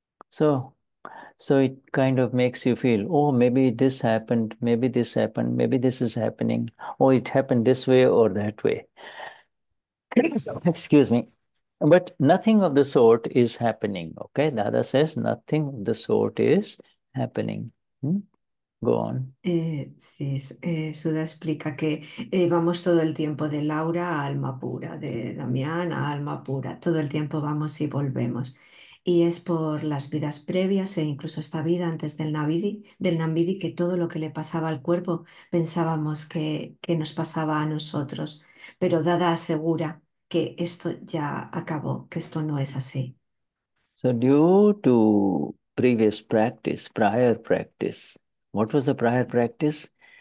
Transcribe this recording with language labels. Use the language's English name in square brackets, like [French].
[English] So it kind of makes you feel, oh, maybe this happened, maybe this happened, maybe this is happening, or it happened this way or that way. Excuse me. But nothing of the sort is happening, okay? Dada says nothing of the sort is happening. Go on. [Spanish] Sí, Suda explica que vamos todo el tiempo de Laura a alma pura, de Damián a alma pura, todo el tiempo vamos y volvemos. Y es por las vidas previas e incluso esta vida antes del Nambidi, que todo lo que le pasaba al cuerpo pensábamos que nos pasaba a nosotros. Pero Dada asegura que esto ya acabó, que esto no es así. [English] So due to previous practice, prior practice, what was the prior practice?